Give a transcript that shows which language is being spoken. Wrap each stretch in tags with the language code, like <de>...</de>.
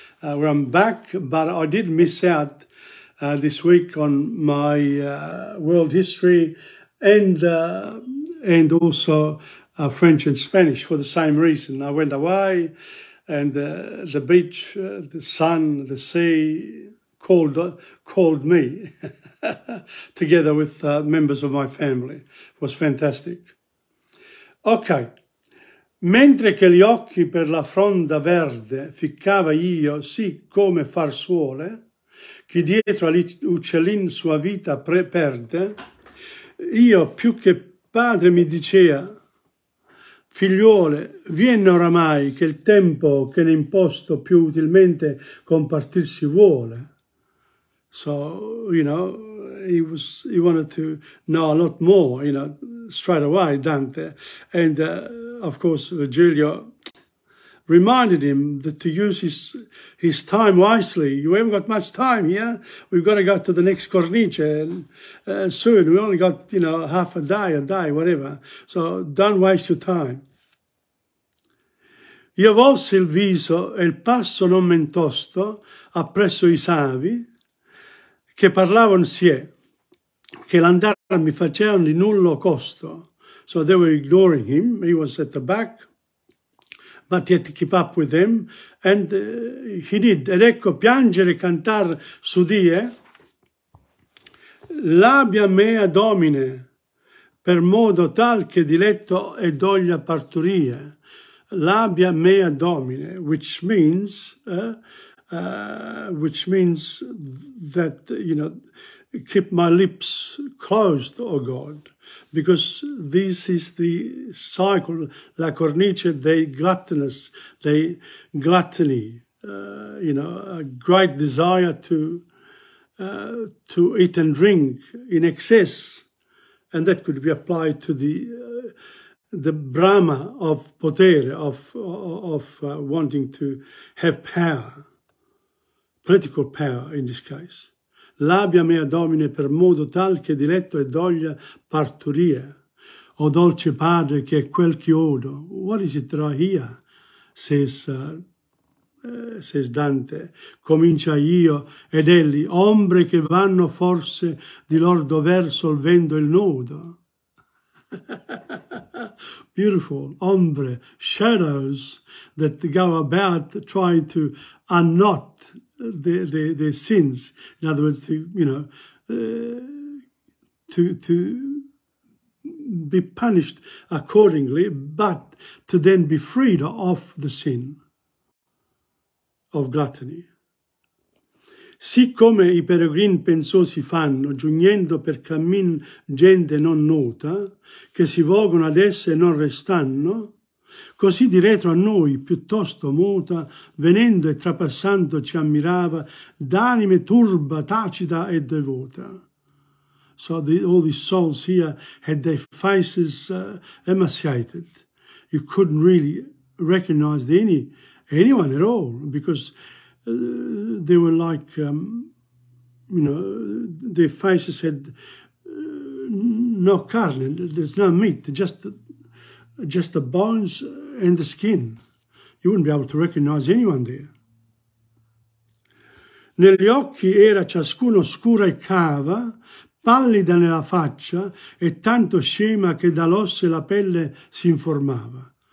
<en>where I'm back, but I did miss out this week on my world history and also French and Spanish for the same reason. I went away, and the beach, the sun, the sea called me together with members of my family. It was fantastic. Okay.</en> <it>Mentre che gli occhi per la fronda verde ficcava io sì come far suole, che dietro all'uccellin sua vita perde, io più che padre mi dicea, figliuole, vien oramai che il tempo che ne imposto più utilmente compartirsi vuole.</it> <en>So, you know, he wanted to know a lot more, you know, straight away, Dante. And, of course, Virgilio reminded him that to use his time wisely. You haven't got much time here. We've got to go to the next cornice and, soon. We only got, you know, half a day, whatever. So don't waste your time.</en> <it>Io volsi il viso e il passo non men tosto appresso i savi che parlavano sie, che l'andare mi facevano di nullo costo.</it> <en>So they were ignoring him. He was at the back, but he had to keep up with them. And he did.</en> <it>Ed ecco, piangere e cantar sudie,</it> <la>labia mea domine,</la> <it>per modo tal che diletto e doglia parturie.</it> <la>Labia mea domine,</la> <en>which means that, you know, keep my lips closed, O God, because this is the cycle,</en> <it>la cornice dei</it> <en>gluttonous, dei gluttony, you know, a great desire to eat and drink in excess, and that could be applied to the Brahma of potere, of wanting to have power, political power in this case.</en> <it>Labia mea domine per modo tal che diletto e doglia parturie. O dolce padre che quel che odo.</it> <en>What is it that I hear? Says Dante.</en> <it>Comincia io ed elli, ombre che vanno forse di lor dover solvendo il nodo.</it> <en>Beautiful, ombre, shadows that go about trying to unknot their sins. In other words, to be punished accordingly, but to then be freed of the sin of gluttony.</en> <it>Siccome I peregrini pensosi fanno, giungendo per cammin gente non nota, che si volgono ad esse e non restanno, così di retro a noi, piuttosto muta, venendo e trapassando ci ammirava, d'anime turba, tacita e devota.</it> <en>So all these souls here had their faces emaciated. You couldn't really recognize anyone at all, because they were like, their faces had no carne, there's no meat, just the bones and the skin. You wouldn't be able to recognize anyone there.</en> <it>Negli occhi era ciascuno scura e cava, pallida nella faccia e tanto scema che dall'osso la pelle si informava.</it>